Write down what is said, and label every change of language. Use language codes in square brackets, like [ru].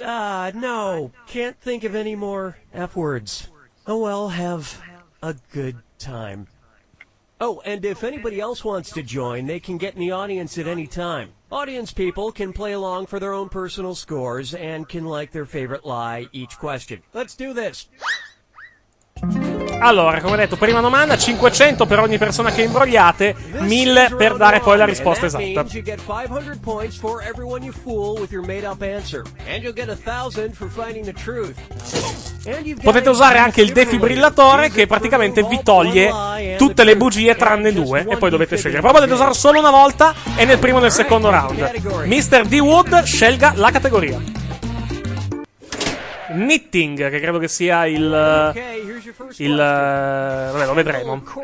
[en] No, can't think of any more F words. Oh well, have a good time. Oh, and if anybody else wants to join, they can get in the audience at any time. Audience people can play along for their own personal scores and can like their favorite lie each question. Let's do this. [it] Allora, come detto, prima domanda, 500 per ogni persona che imbrogliate, 1000 per dare poi la risposta esatta. [en] You get 500 points for everyone you fool with your made up answer, and you'll get 1000 for finding the truth. [it] Potete usare anche il defibrillatore, che praticamente vi toglie tutte le bugie tranne due, e poi dovete scegliere. Però potete usarlo solo una volta, e nel primo o nel secondo round. Mr. D. Wood, scelga la categoria. Knitting, che credo che sia vabbè, lo vedremo.